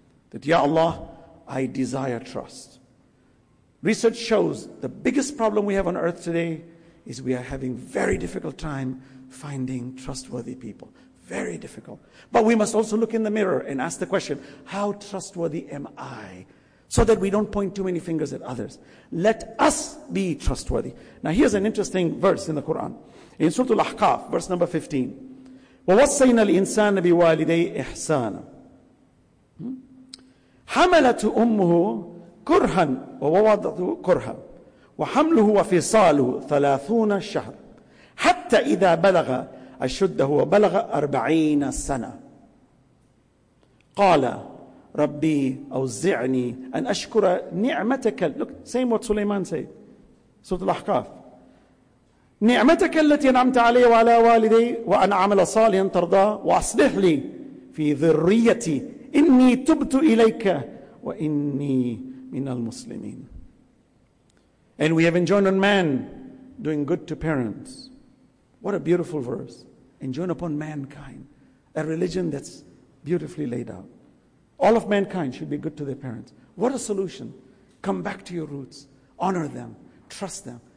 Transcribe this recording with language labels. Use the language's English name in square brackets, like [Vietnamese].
[English] That Ya Allah, I desire trust. Research shows the biggest problem we have on earth today is we are having very difficult time finding trustworthy people. Very difficult. But we must also look in the mirror and ask the question, how trustworthy am I? So that we don't point too many fingers at others. Let us be trustworthy. Now here's an interesting verse in the Quran. In Surah Al-Ahqaf, verse number 15. [Arabic] وَوَصَّيْنَا الْإِنسَانَ بِوَالِدَيْ إِحْسَانًا حَمَلَتُ أُمُّهُ كُرْهًا وَوَضَعَتْهُ كُرْهًا وَحَمْلُهُ وَفِصَالُهُ 30 شَهْرًا حَتَّى إِذَا بَلَغَ أَشُدَّهُ وَبَلَغَ 40 سَنَةً قَالَ رَبِّي أَوْزِعْنِي أَنْ أَشْكُرَ نِعْمَتَكَ [English] Look, same what Sulaiman said. Surah Al-Ahqaf. [Arabic] نعمتك التي نعمت علي وعلى والدي وأن عمل صالحا ترضاه وأصلح لي في ذريتي إني تبت إليك وإني من المسلمين. [English] And we have enjoined on man doing good to parents. What a beautiful verse. Enjoined upon mankind. A religion that's beautifully laid out. All of mankind should be good to their parents. What a solution. Come back to your roots. Honor them. Trust them.